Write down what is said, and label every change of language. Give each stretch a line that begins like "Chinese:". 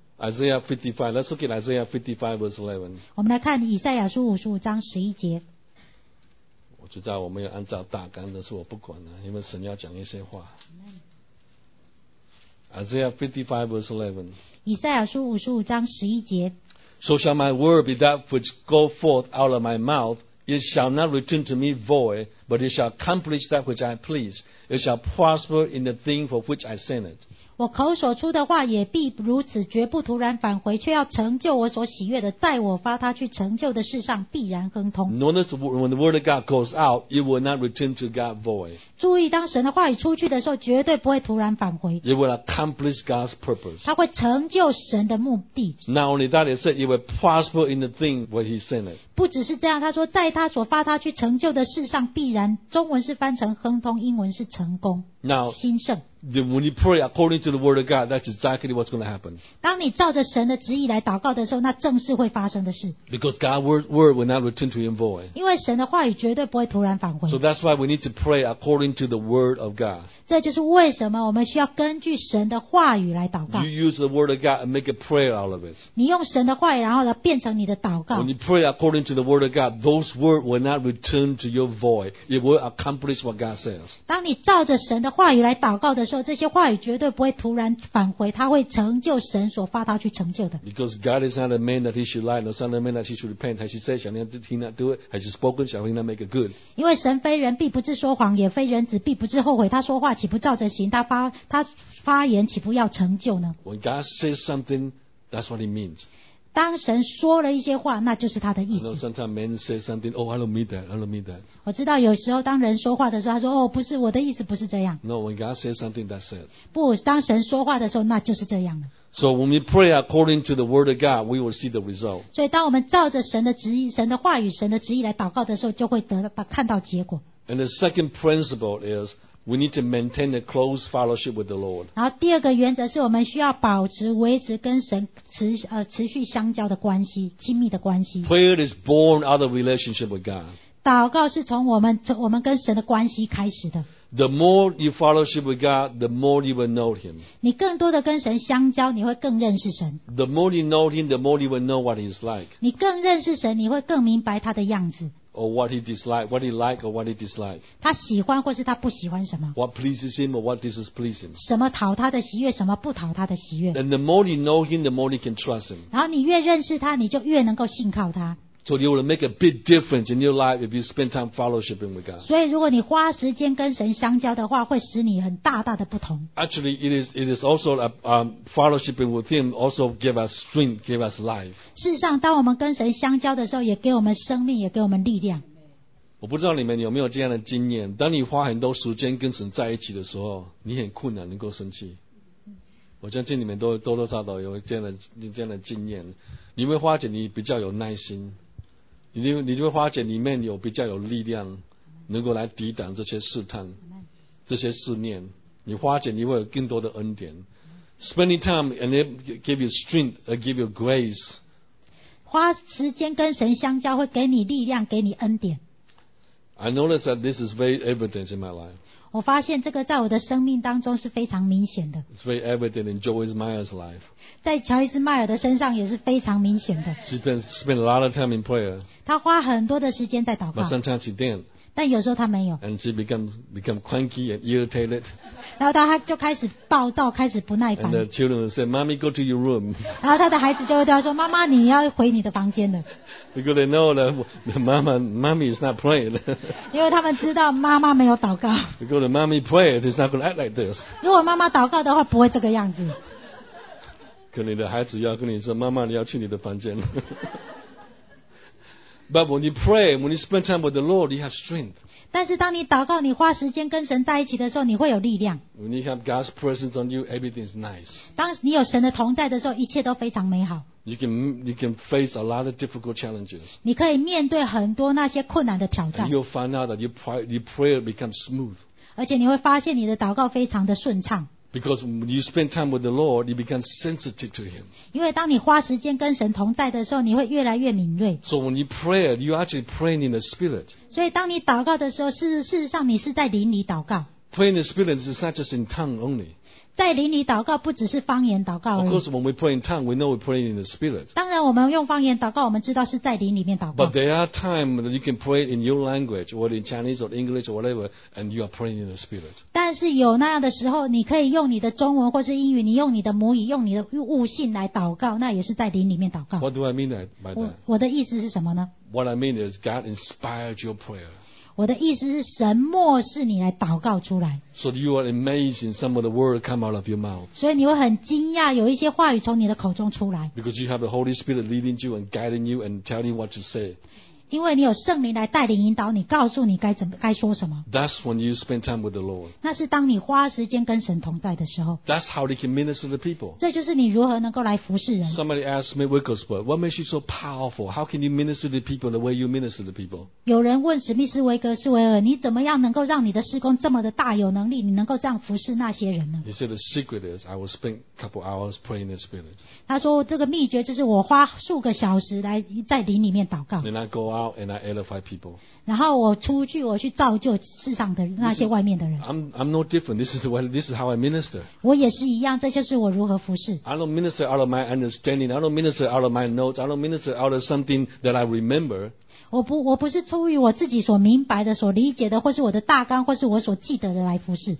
English: Isaiah 55, let's look at Isaiah 55 verse 11.
Chinese: 我们来看以赛亚书五十五章十一节。我知道我没有按照大纲的，是我不管了，因为神要讲一些话。
English: Isaiah 55 verse 11.
Chinese: 以赛亚书五十五章十一节。
English: So shall my word be that which go forth out of my mouth. It shall not return to me void, but it shall accomplish that which I please. It shall prosper in the thing for which I sent it.
Chinese: 我口所出的话也必如此，绝不突然返回，却要成就我所喜悦的，在我发它去成就的事上必然亨通。
English: Notice when the word of God goes out, it will not return to God void.
Chinese: 注意，当神的话语出去的时候，绝对不会突然返回。
English: It will accomplish God's purpose.
Chinese: 它会成就神的目的。
English: Not only that, it said it will prosper in the thing where He sent it.
Chinese: 不只是这样，他说在他所发它去成就的事上必然。中文是翻成亨通，英文是成功。
English: Now,
Chinese: 兴盛。
English: When you pray according to the word of God, that's exactly what's going to happen.
Chinese: 当你照着神的旨意来祷告的时候，那正是会发生的事。
English: Because God's word will not return to Him void.
Chinese: 因为神的话语绝对不会突然返回。
English: So that's why we need to pray according to the word of God.
Chinese: 这就是为什么我们需要根据神的话语来祷告。
English: You use the word of God and make a prayer out of it.
Chinese: 你用神的话语，然后来变成你的祷告。
English: When you pray according to the word of God, those words will not return to your void. It will accomplish what God says.
Chinese: 当你照着神的话语来祷告的时候，这些话语绝对不会突然返回，他会成就神所发他去成就的。
English: Because God is not a man that he should lie, nor son of a man that he should repent. Has he said, shall he not do it? Has he spoken, shall he not make it good?
Chinese: 因为神非人，必不至说谎；也非人子，必不至后悔。他说话岂不照着行？他发言岂不要成就呢
English: ？When God says something, that's what He means.
Chinese: 当神说了一些话，那就是他的意思。
English: I know sometimes men say something, oh, I don't mean that, I don't mean that.
Chinese: 我知道有时候当人说话的时候，他说，哦，不是，我的意思不是这样。
English: No, when God says something, that's it.
Chinese: 不，当神说话的时候，那就是这样的。
English: So when we pray according to the word of God, we will see the result.
Chinese: 所以当我们照着神的旨意、神的话语、神的旨意来祷告的时候，就会得到看到结果。
English: And the second principle is,We need to maintain a close fellowship with the Lord.
Chinese: 然后第二个原则是我们需要保持、维持跟神持续相交的关系，亲密的关系。
English: Prayer is born out of relationship with God.
Chinese: 祷告是从我们跟神的关系开始的。
English: The more you fellowship with God, the more you will know Him.
Chinese: 你更多的跟神相交，你会更认识神。
English: The more you know Him, the more you will know what He's like.
Chinese: 你更认识神，你会更明白他的样子。
English: Or what he dislike, what he like, or what he dislike.
Chinese: 他喜欢或是他不喜欢什么。
English: What pleases him or what displeases him.
Chinese: 什么讨他的喜悦，什么不讨他的喜悦。
English: And the more you know him, the more you can trust him.
Chinese: 然后你越认识他，你就越能够信靠他。
English: So it will make a big difference in your life if you spend time fellowshipping with God.
Chinese: 所以如果你花时间跟神相交的话，会使你很大大的不同。
English: Actually, it is also fellowshipping with Him also give us strength, give us life.
Chinese: 事实上，当我们跟神相交的时候，也给我们生命，也给我们力量。我不知道你们有没有这样的经验，当你花很多时间跟神在一起的时候，你很困难能够生气。我相信你们都多多少少有这样的经验。你会发觉你比较有耐心，你就会发觉里面有比较有力量，能够来抵挡这些试探、这些试炼。你发觉你会有更多的恩典。
English: Spending time and it give you strength and give you grace.
Chinese: 花时间跟神相交会给你力量，给你恩典。
English: I notice that this is very evident in my life.
Chinese: 我发现这个在我的生命当中是非常明显的。
English: It's very evident in Joyce Meyer's life.
Chinese: 在乔伊斯·迈尔的身上也是非常明显的。
English: She spent a lot of time in prayer.
Chinese: 她花很多的时间在祷告。
English: But sometimes she didn't.
Chinese: 但有时候她没有。
English: And she became cranky and irritated.
Chinese: 然后她就开始暴躁，开始不耐烦。
English: And the children would say, "Mommy, go to your room."
Chinese: 然后她的孩子就会对她说，妈妈，你要回你的房间了。
English: Because they know that mommy is not praying.
Chinese: 因为他们知道妈妈没有祷告。
English: Because if mommy prayed, it's not going to act like this.
Chinese: 如果妈妈祷告的话，不会这个样子。可能你的孩子要跟你说，妈妈，你要去你的房间。
English: But when you pray, when you spend time with the Lord, you have strength.
Chinese: 但是当你祷告，你花时间跟神在一起的时候，你会有力量。
English: When you have God's presence on you, everything is nice.
Chinese: 当你有神的同在的时候，一切都非常美好。
English: You can face a lot of difficult challenges.
Chinese: 你可以面对很多那些困难的挑战。
English: And you'll find out that your prayer becomes smooth.
Chinese: 而且你会发现你的祷告非常的顺畅。
English: Because when you spend time with the Lord, you become sensitive to Him.
Chinese: 因为当你花时间跟神同在的时候，你会越来越敏锐。
English: So when you pray, you actually praying in the Spirit.
Chinese: 所以当你祷告的时候，事实上你是在灵里祷告。
English: Praying in the Spirit is not just in tongue only.
Chinese: 在灵里祷告不只是方言祷告而已。
English: Of course, when we pray in tongue, we know we pray in the Spirit.
Chinese: 当然，我们用方言祷告，我们知道是在灵里面祷告。
English: But there are times that you can pray in your language, or in Chinese, or English, or whatever, and you are praying in the Spirit.
Chinese: 但是有那样的时候，你可以用你的中文或是英语，你用你的母语，用你的悟性来祷告，那也是在灵里面祷告。
English: What do I mean by that?
Chinese: 我的意思是什么呢
English: ？What I mean is God inspired your prayer.
Chinese: 我的意思是神默示你来祷告出来。
English: So you are amazing some of the word come out of your mouth.
Chinese: 所以你会很惊讶有一些话语从你的口中出来。
English: Because you have the Holy Spirit leading you and guiding you and telling you what to say.
Chinese: 因为你有圣灵来带领引导你告诉你该说什么。
English: That's when you spend time with the Lord.
Chinese: 那是当你花时间跟神同在的时候。
English: That's how you can minister to people.
Chinese: 这就是你如何能够来服侍人。
English: Somebody asked me Wigglesworth, what makes you so powerful? How can you minister to people the way you minister to people?
Chinese: 有人问史密斯·维格斯维尔，你怎么样能够让你的事工这么的大有能力，你能够这样服侍那些人呢？
English: He said the secret is I will spend a couple hours praying in the Spirit.
Chinese: 他说这个秘诀就是我花数个小时来在灵里面祷告。
English: Then I go out and I edify people.
Chinese: 然后我出去，我去造就世上的那些外面的人。
English: I'm no different. This is how I minister.
Chinese: 我也是一样，这就是我如何服侍。
English: I don't minister out of my understanding. I don't minister out of my notes. I don't minister out of something that I remember.
Chinese: 我不是出于我自己所明白的、所理解的，或是我的大纲，或是我所记得的来服侍。